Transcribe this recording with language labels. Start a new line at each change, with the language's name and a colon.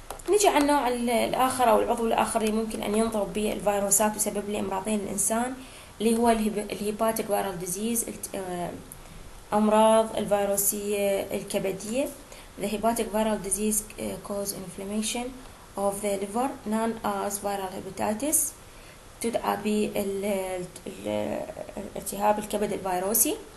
Arabic: نجي على النوع الاخر او العضو الاخر اللي ممكن ان ينضرب به الفيروسات وسبب لي امراضين الانسان اللي هو الهيباتيك فيرال ديزيز، امراض الفيروسيه الكبديه.
English: The hepatic viral disease cause inflammation of the liver known as viral hepatitis.
Arabic: تدعى بالالتهاب الكبد الفيروسي.